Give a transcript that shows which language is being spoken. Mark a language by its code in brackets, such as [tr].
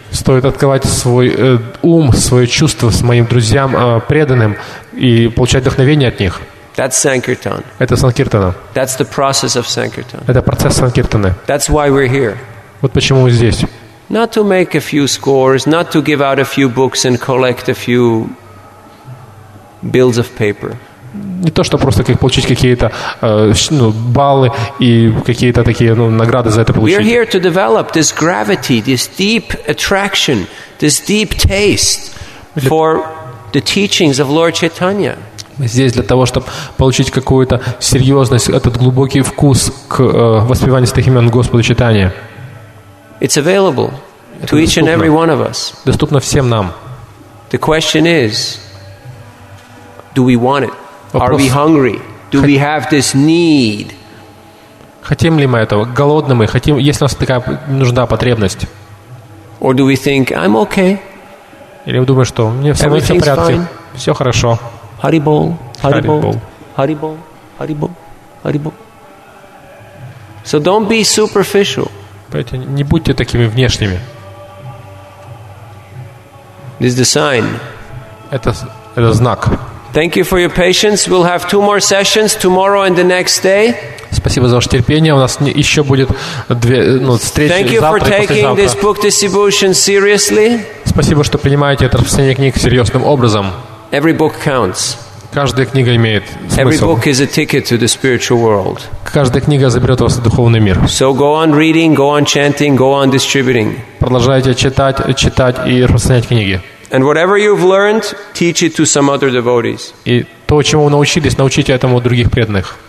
[ru] Стоит открывать свой ум, свои чувства с моим друзьям преданным и получать вдохновение от них. [en] That's sankirtan. [ru] Это санкиртана. [en] That's the process of sankirtan. [ru] Это процесс санкиртаны. [en] That's why we're here. [ru] Вот почему мы здесь. [en] Not to make a few scores, not to give out a few books and collect a few bills of paper. [ru] Не то, что просто получить какие-то баллы и какие-то такие награды за это получить. [en] We are here to develop this gravity, this deep attraction, this deep taste for the teachings of Lord Chaitanya. [ru] Мы здесь для того, чтобы получить какую-то серьезность, этот глубокий вкус к воспеванию святых имен Господа Чайтаньи. [en] It's available to each and every one of us. [ru] Доступно всем нам. [en] The question is, do we want it? Are we hungry? Do we have this need? [ru] Хотим ли мы этого? Голодны мы? Хотим? Есть у нас такая нужда, потребность? [en] Or do we think I'm okay? [ru] Или думаешь, что мне все в порядке, все хорошо? [sa] Харибол, Харибол, Харибол, Харибол, Харибол. [en] So don't be superficial. [ru] Не будьте такими внешними. [en] This is the sign. [ru] Это знак. [en] Thank you for your patience. We'll have two more sessions tomorrow and the next day. [ru] Спасибо за ваше терпение. У нас еще будет встреча. [en] Thank you for taking this book distribution seriously. [ru] Спасибо, что принимаете это распространение книг серьезным образом. [en] Every book counts. [ru] Каждая книга имеет смысл. [en] Every book is a ticket to the spiritual world. [ru] Каждая книга заберет вас в духовный мир. [en] So go on reading, go on chanting, go on distributing. [ru] Продолжайте читать и распространять книги. [en] And whatever you've learned, teach it to some other devotees. [ru] И то, чему вы научились, научите этому других преданных.